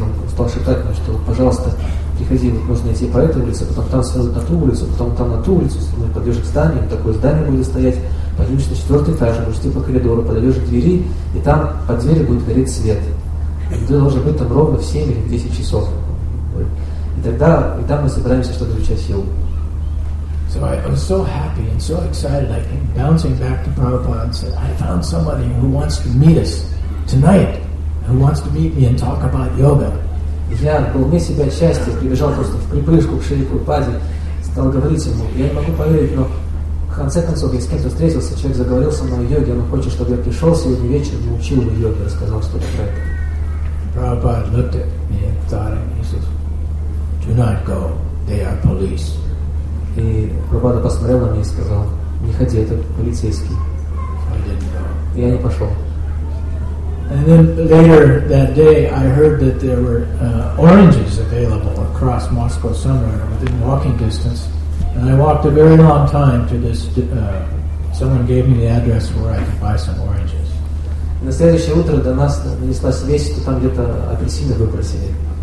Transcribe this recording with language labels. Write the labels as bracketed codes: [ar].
[ru] Он стал шептать мне, что, пожалуйста, приходи, вот нужно идти по этой улице, потом там сразу на ту улицу, потом там на ту улицу, если мы подъедем к зданию, такое здание будет стоять, поднимешь на четвертый этаж, будешь идти по коридору, подойдешь к двери, и там под дверью будет гореть свет. И ты должен быть там ровно в 7 или 10 часов. И тогда, и там мы собираемся, чтобы изучать йогу. [en] So I was so happy and so excited, I came bouncing back to Prabhupada and said, I found somebody who wants to meet us tonight, who wants to meet me and talk about yoga. [ru] Я был вне себя от счастья, прибежал просто в припрыжку к Шри Прабхупаде, стал говорить ему, я не могу поверить, но в конце концов я с кем-то встретился, человек заговорил со мной о йоге, он хочет, чтобы я пришел сегодня вечером и учил его йоге, рассказал что-то про это. [en] Prabhupada looked at me and thought, and he says, do not go, they are police. [ru] И Прабхупада посмотрел на меня и сказал, не ходи, это полицейский. [en] I didn't go. [ru] И я не пошел. [en] And then later that day, I heard that there were oranges available across Moscow somewhere within walking distance. And I walked a very long time to this. Someone gave me the address where I could buy some oranges. [ru] На следующее утро до нас донеслась весть, что там где-то апельсины выбросили.